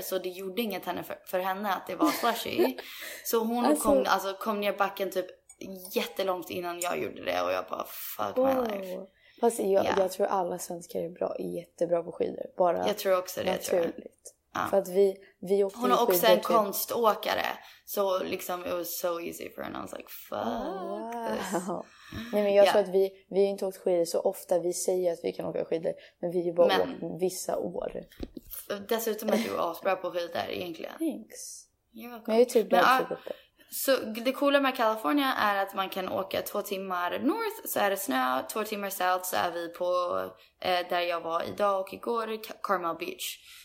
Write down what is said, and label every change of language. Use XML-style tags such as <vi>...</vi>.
<sv>Så det gjorde inget henne för henne att det var slushy. Så hon kom ner backen typ jättelångt innan jag gjorde det. Och jag bara,</sv> <en>fuck my life.</en> <sv>Fast jag tror alla svenskar är jättebra på skidor. Bara jag tror också det. Naturligt. Ja. För att vi åkte hon är också en konståkare. Så liksom,</sv> <en>it was so easy for her. And I was like, fuck this.</en> <sv>Nej, men jag tror att vi har inte åkt skidor så ofta. Vi säger att vi kan åka skidor. Men vi är bara åkt vissa år. Dessutom är du asbra på skidor egentligen.</sv> <en>Thanks.</en> <sv>Jag är typ glad för det. Så det coola med California är att man kan åka 2 timmar north så är det snö, 2 timmar south så är vi på där jag var idag och igår, Carmel Beach.</sv>